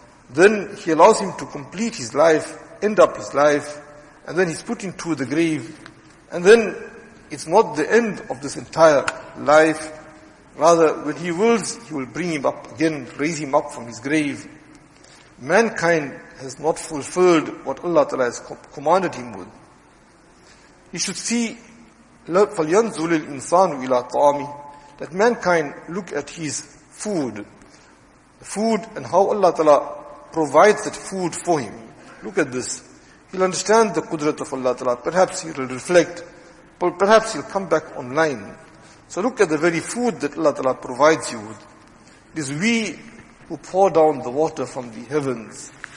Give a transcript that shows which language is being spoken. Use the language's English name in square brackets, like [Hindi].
[English] Then he allows him to complete his life, end up his life, and then he's put into the grave. And then it's not the end of this entire life. Rather, when he wills, he will bring him up again, raise him up from his grave. Mankind has not fulfilled what Allah Ta'ala has commanded him with. He should see, [Arabic] فَلْيَنْزُلِ الْإِنسَانُ إِلَىٰ طَعَامِ. [English] That mankind look at his food. Food and how Allah Ta'ala provides that food for him. Look at this. He'll understand the qudrat of Allah Ta'ala. Perhaps he'll reflect. But perhaps he'll come back online. So look at the very food that Allah Ta'ala provides you with. It is we who pour down the water from the heavens.